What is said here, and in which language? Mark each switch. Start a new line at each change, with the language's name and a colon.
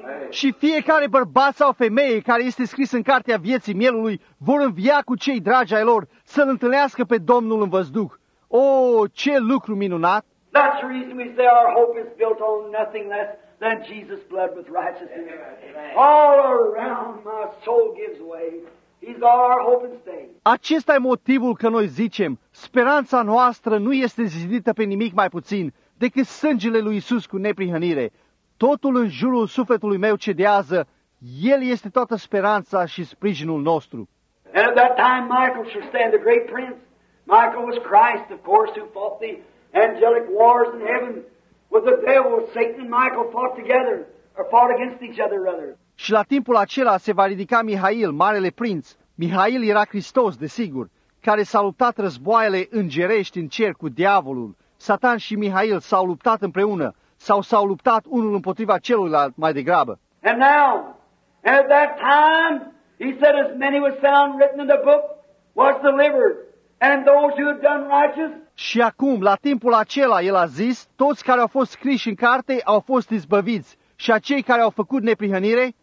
Romanian: Și fiecare bărbat sau femeie care este scris în cartea vieții mielului vor învia cu cei dragi ai lor să-L întâlnească pe Domnul în văzduh. O, ce lucru minunat!
English: That's the reason we say our hope is built on nothing less than Jesus' blood with righteousness. Amen. All around my soul gives way. He's our hope and stay.
Romanian: Acesta e motivul că noi zicem, speranța noastră nu este zidită pe nimic mai puțin decât sângele lui Iisus cu neprihănire. Totul în jurul sufletului meu cedează, El este toată speranța și sprijinul nostru.
English: And at that time Michael should stand, the great prince. Michael was Christ, of course, who fought the angelic wars in heaven with the devil. Satan and Michael fought together, or fought against each other rather.
Romanian: Și la timpul acela se va ridica Mihail, marele prinț. Mihail era Hristos, desigur, care s-a luptat războaiele îngerești în cer cu diavolul. Satan și Mihail s-au luptat împreună, sau s-au luptat unul împotriva celuilalt mai degrabă.
English: And now, at that time, he said, as many was found written in the book, was delivered, and those who had done righteous.
Romanian: Și acum, la timpul acela, el a zis, toți care au fost scriși în carte au fost izbăviți, și acei care au făcut neprihănire.